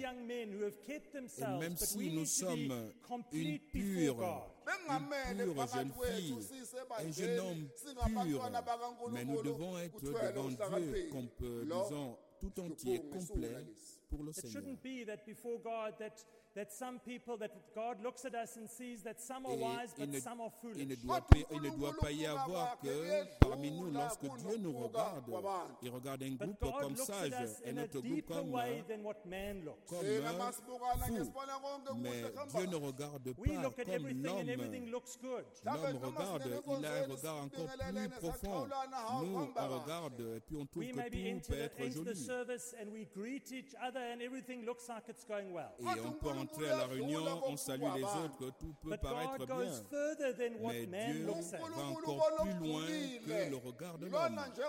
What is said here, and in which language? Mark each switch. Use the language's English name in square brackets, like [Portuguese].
[French] Et même si nous sommes une pure, jeune fille, un jeune homme pur, mais nous devons être devant Dieu, disons, tout entier, complet pour le Seigneur. [English] It shouldn't be that before God that some people, that God looks at us and sees that some are wise, but some are foolish. [French] Il ne doit pas y avoir que parmi nous, lorsque Dieu nous regarde, il regarde un groupe comme sage, un autre groupe comme fou. Mais Dieu ne regarde pas comme l'homme. L'homme regarde, il a un regard encore plus profond. Nous, on regarde, et puis on trouve que tout peut être joli. [English] Into the service, and we greet each other, and everything looks like it's going well. [French] Entrer à la réunion, on salue les autres, tout peut paraître bien. Mais Dieu va encore plus loin que le regard de l'homme.